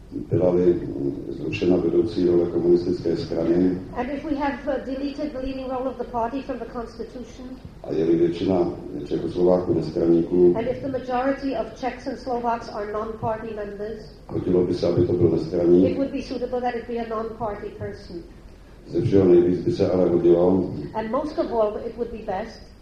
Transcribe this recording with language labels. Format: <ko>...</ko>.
<cs>Byla-li zrušena vedoucí role komunistické strany.</cs> <en>And if we have deleted the leading role of the party from the constitution.</en> <cs>A je-li většina Čechoslováků nestraníků.</cs> <en>And if the majority of Czechs and Slovaks are non-party members.</en> <cs>Hodilo by se, aby to byl nestraník.</cs> <en>It would be suitable that it be a non-party person.</en> <cs>Ze všeho nejvíc by se ale hodilo.</cs> <en>And most of all, it would be best.</en>